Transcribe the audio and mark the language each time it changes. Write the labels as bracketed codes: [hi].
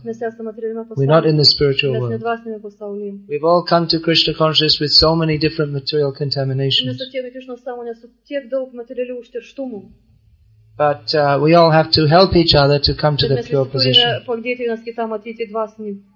[lt] Mes esame materialiame pasaulyje. [en] We're not in the spiritual world. [lt] Mes nedvasiniame pasaulyje. [en] We've all come to Krishna consciousness with so many different material contaminations. [lt] Mes atėjome į Krishna sąmonę su tiek daug materialių užterštumų. [en] But we all have to help each other to come to the pure position. [lt] Mes turime padėti vienas kitam atėti dvasinį.